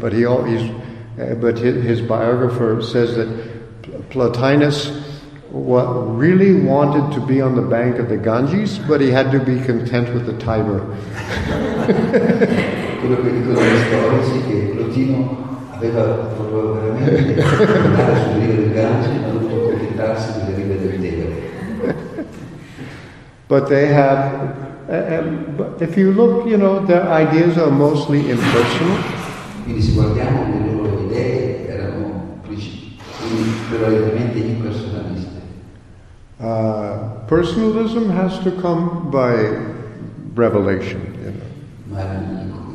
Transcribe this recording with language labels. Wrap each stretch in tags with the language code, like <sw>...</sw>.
<en>But his biographer says that Plotinus really wanted to be on the bank of the Ganges, but he had to be content with the Tiber.</en> <it>Quello che dicono gli storici che Plotino aveva voluto veramente andare sul rive del Gange, ma dovuto accontentarsi delle rive del Tevere.</it> <en>But they have, if you look, you know, their ideas are mostly impersonal.</en> <it>Quindi se guardiamo le loro idee erano prevalentemente impersonaliste.</it> <en>Personalism has to come by revelation, you know.</en>